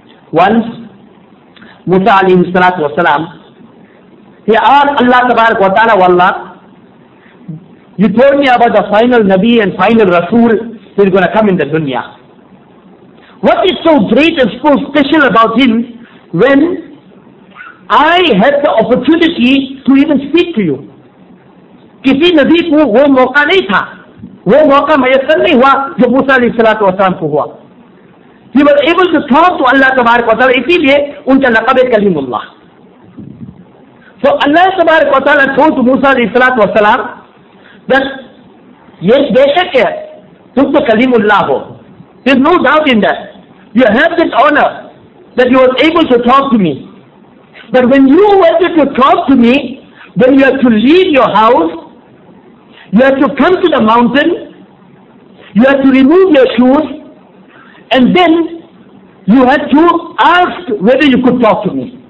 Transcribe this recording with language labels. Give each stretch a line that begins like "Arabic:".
English: Once, Musa alayhi salatu wa sallam, he asked Allah tabarak wa ta'ala, Wallah, you told me about the final Nabi and final Rasul who is going to come in the dunya. What is so great and so special about him when I had the opportunity to even speak to you?
Urdu: کسی نبی کو وہ موقع نہیں تھا, وہ موقع میسر نہیں ہوا جو موسیٰ علیہ الصلوۃ والسلام کو ہوا.
English: He was able to talk to اللہ تبارک و تعالیٰ,
Urdu: اسی لیے ان کا لقب
English: کلیم اللہ. So
Urdu: اللہ تبارک و تعالیٰ
English: told to
Urdu: موسیٰ علیہ الصلوۃ والسلام that یہ بے شک ہے تم تو کلیم اللہ ہو.
English: There's no doubt in that. You have this honor that you were able to talk to me. But when you wanted to talk to me, then you have to leave your house, you have to come to the mountain, you have to remove your shoes, and then you have to ask whether you could talk to me.